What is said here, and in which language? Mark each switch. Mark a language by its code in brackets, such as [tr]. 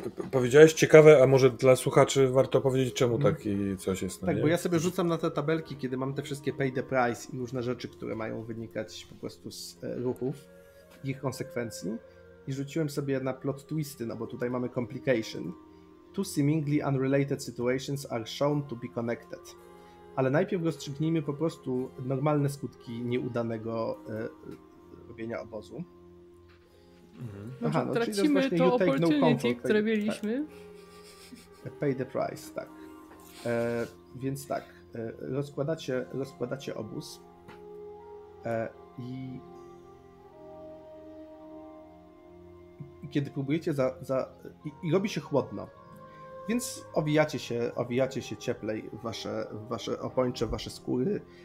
[pl] Powiedziałeś ciekawe, a może dla słuchaczy warto powiedzieć, czemu taki coś jest. Tak, bo ja sobie rzucam na te tabelki, kiedy mam te wszystkie [en] pay the price [pl] i różne rzeczy, które mają wynikać po prostu z ruchów i ich konsekwencji. I rzuciłem sobie na plot twisty, no bo tutaj mamy complication. [en] Two seemingly unrelated situations are shown to be connected. [pl] Ale najpierw rozstrzygnijmy po prostu normalne skutki nieudanego robienia obozu. Aha, no, tracimy to opportunity, no comfort, które mieliśmy. Tak. [en] Pay the price, [pl] tak. Więc tak, rozkładacie obóz i kiedy próbujecie i robi się chłodno, więc owijacie się cieplej wasze opończe, wasze skóry.